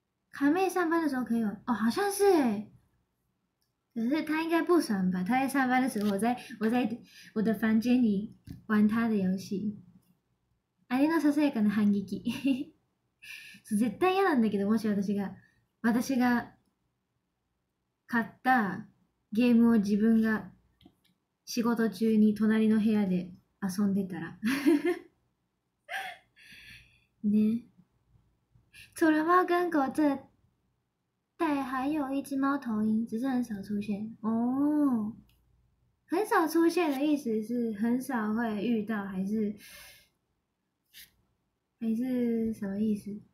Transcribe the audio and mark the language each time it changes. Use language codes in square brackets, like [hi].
[zh] 卡妹上班的时候可以玩，哦，好像是诶，可是她应该不爽吧？她在上班的时候我在我的房间里玩她的游戏。 [ja] あれのささやかな反撃。そう、絶対嫌なんだけど、もし私が買ったゲームを自分が仕事中に隣の部屋で遊んでたら ね。 [zh] 除了猫跟狗，这代还有一只猫头鹰，只是很少出现哦。很少出现的意思是很少会遇到，还是什么意思？